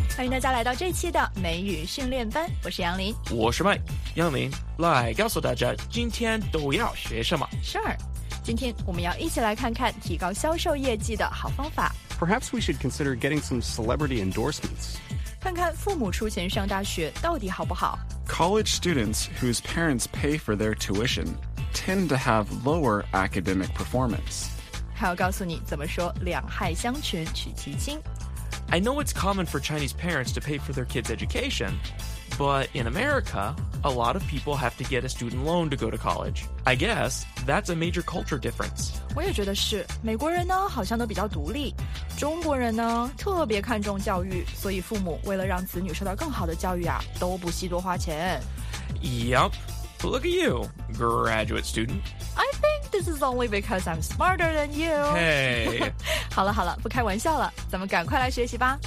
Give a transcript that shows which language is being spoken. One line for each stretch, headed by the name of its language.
Chinese: 大家来到这期的美语训练班，我是杨林，我是麦。杨林，来告诉大家今天都要学什么。
English: Sure，
Chinese: 今天我们要一起来看看提高销售业绩的好方法。
English: Perhaps we should consider getting some celebrity endorsements.
Chinese: 看看父母出钱上大学到底好不好。
English: College students whose parents pay for their tuition tend to have lower academic performance.
Chinese: 还要告诉你怎么说两害相权取其轻。
English: I know it's common for Chinese parents to pay for their kids' education, but in America, a lot of people have to get a student loan to go to college. I guess that's a major culture difference.
Chinese: 我也觉得是，美国人呢好像都比较独立，中国人呢特别看重教育，所以父母为了让子女受到更好的教育啊，都不惜多花钱。
English: Yep, but look at you, graduate student. I think this is only because I'm smarter than you. Hey.
Chinese: 好了好了，不开玩笑了，咱们赶快来学习吧。